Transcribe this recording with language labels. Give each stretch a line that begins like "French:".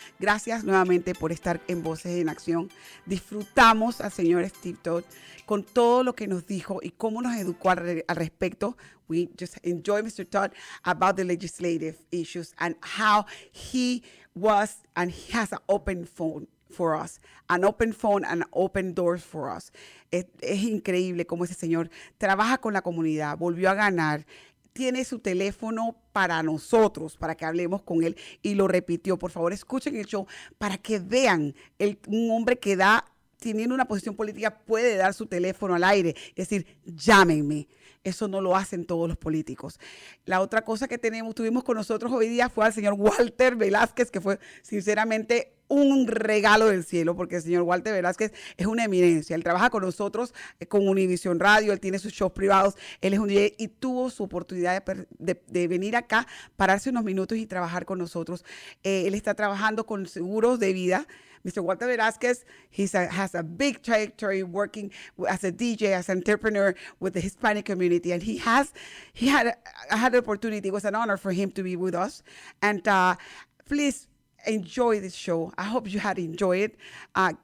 Spanish: Gracias nuevamente por estar en Voces en Acción. Disfrutamos al señor Steve Toth con todo lo que nos dijo y cómo nos educó al respecto.
English: We just enjoy Mr. Toth about the legislative issues and how he was and he has an open phone. For us, an open phone and open doors for us.
Spanish: Es increíble cómo ese señor trabaja con la comunidad, volvió a ganar, tiene su teléfono para nosotros, para que hablemos con él, y lo repitió. Por favor, escuchen el show para que vean un hombre que da, teniendo una posición política, puede dar su teléfono al aire, es decir, llámenme. Eso no lo hacen todos los políticos. La otra cosa que tuvimos con nosotros hoy día fue al señor Walter Velazquez, que fue sinceramente un regalo del cielo, porque el señor Walter Velázquez es una eminencia. Él trabaja con nosotros, con Univision Radio, él tiene sus shows privados, él es un DJ y tuvo su oportunidad de venir acá, pararse unos minutos y trabajar con nosotros. Él está trabajando con seguros de vida. Mr.
English: Walter Velázquez, has a big trajectory working as a DJ, as an entrepreneur with the Hispanic community. And he had an opportunity. It was an honor for him to be with us. And please, enjoy this show. I hope you had enjoyed it.